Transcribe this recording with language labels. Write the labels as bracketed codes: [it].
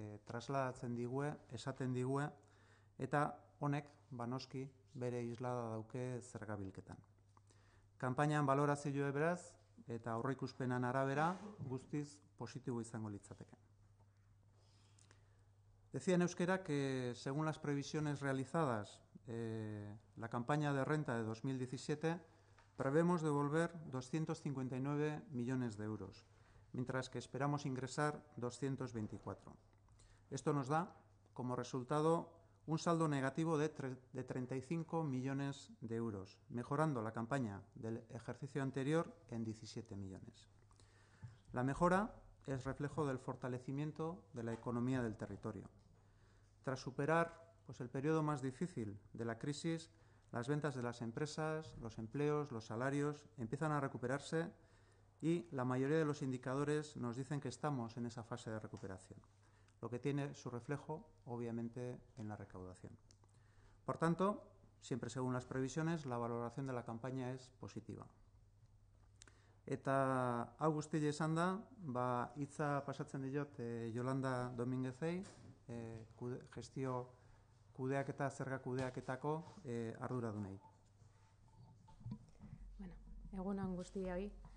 [eu] Trasladatzen digue, esaten digue, eta honek, ba, noski, bere islada dauke zergabilketan. Kanpainan balorazioa beraz, eta aurreikuspenan arabera, guztiz positibo izango litzateke. [es] Decía en euskera que, según las previsiones realizadas, la campaña de renta de 2017, prevemos devolver 259 millones de euros, mientras que esperamos ingresar 224. Esto nos da, como resultado, un saldo negativo de 35 millones de euros, mejorando la campaña del ejercicio anterior en 17 millones. La mejora es reflejo del fortalecimiento de la economía del territorio. Tras superar pues, el periodo más difícil de la crisis, las ventas de las empresas, los empleos, los salarios empiezan a recuperarse y la mayoría de los indicadores nos dicen que estamos en esa fase de recuperación, lo que tiene su reflejo, obviamente, en la recaudación. Por tanto, siempre según las previsiones, la valoración de la campaña es positiva. [eu] Eta hau guztia esan da, ba, hitza pasatzen diot Yolanda Dominguezei, gestio kudeak eta zerga kudeaketako ardura dunei. Bueno, egunon guztia hoi.